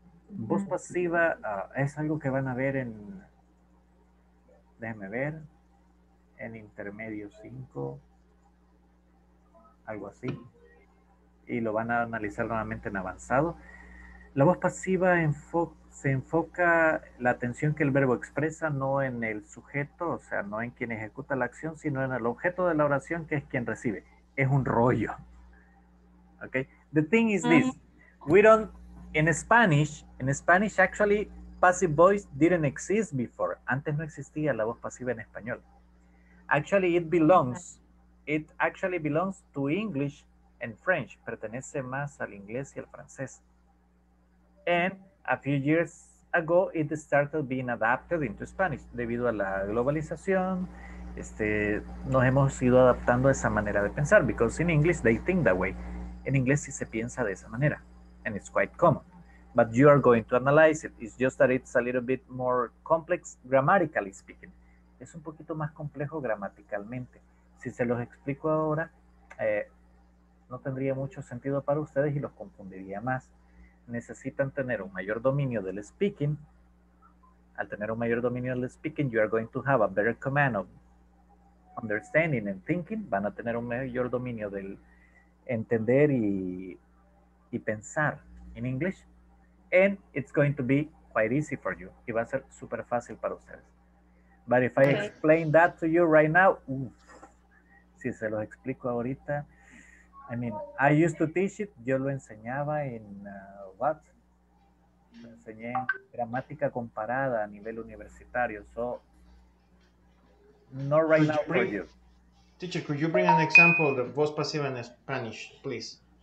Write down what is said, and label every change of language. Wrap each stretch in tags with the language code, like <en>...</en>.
<es>Voz pasiva es algo que van a ver en, déjeme ver, en intermedio 5, algo así, y lo van a analizar nuevamente en avanzado. La voz pasiva enfoca se enfoca la atención que el verbo expresa no en el sujeto, o sea, no en quien ejecuta la acción, sino en el objeto de la oración, que es quien recibe. Es un rollo.</es> <en>Okay. The thing is this. We don't, in Spanish, actually, passive voice didn't exist before.</en> <es>Antes no existía la voz pasiva en español.</es> <en>Actually, it actually belongs to English and French.</en> <es>Pertenece más al inglés y al francés.</es> <en>And a few years ago, it started being adapted into Spanish.</en> <es>Debido a la globalización, nos hemos ido adaptando a esa manera de pensar.</es> <en>Because in English, they think that way.</en> <es>En inglés sí se piensa de esa manera. And it's quite common. But you are going to analyze it. It's just that it's a little bit more complex, grammatically speaking. Es un poquito más complejo gramaticalmente. Si se los explico ahora, no tendría mucho sentido para ustedes y los confundiría más. Necesitan tener un mayor dominio del speaking. Al tener un mayor dominio del speaking,</es> <en>you are going to have a better command of understanding and thinking.</en> <es>Van a tener un mayor dominio del entender y pensar</es> <en>in English. And it's going to be quite easy for you.</en> <es>Y va a ser super fácil para ustedes.</es> <en>But if I explain that to you right now,</en> <es>si se los explico ahorita,</es> <en>I mean, I used to teach it.</en> <es>Yo lo enseñaba en</es> <en>what?</en> <es>Lo enseñé en gramática comparada a nivel universitario.</es> <en>So, not right could now bring, for you. Teacher, could you bring an example of the voz pasiva in Spanish, please?</en>